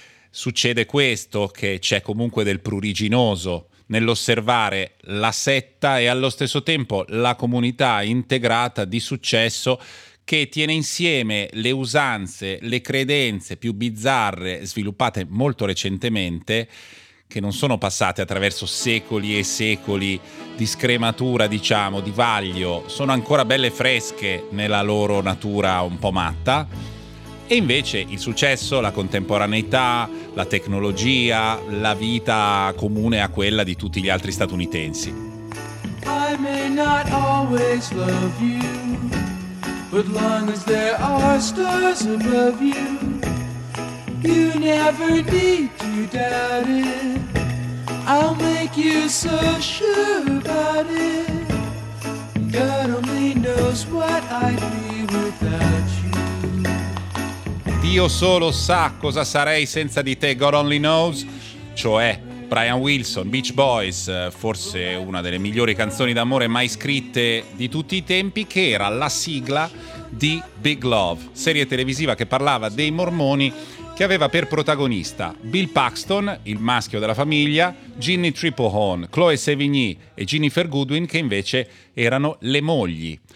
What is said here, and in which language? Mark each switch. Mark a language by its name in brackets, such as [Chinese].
[Italian] succede questo, che c'è comunque del pruriginoso nell'osservare la setta e allo stesso tempo la comunità integrata di successo che tiene insieme le usanze, le credenze più bizzarre sviluppate molto recentemente, che non sono passate attraverso secoli e secoli di scrematura, diciamo, di vaglio, sono ancora belle fresche nella loro natura un po' matta. E invece il successo, la contemporaneità, la tecnologia, la vita comune a quella di tutti gli altri statunitensi. [English] I may not always love you, but long as there are stars above you, you never need to doubt it. I'll make you so sure about it. God only knows what I'd be without you. [Italian] Dio solo sa cosa sarei senza di te, God Only Knows, cioè Brian Wilson, Beach Boys, forse una delle migliori canzoni d'amore mai scritte di tutti i tempi, che era la sigla di Big Love, serie televisiva che parlava dei mormoni, che aveva per protagonista Bill Paxton, il maschio della famiglia, Ginny Triplehorn, Chloe Sevigny e Jennifer Goodwin, che invece erano le mogli.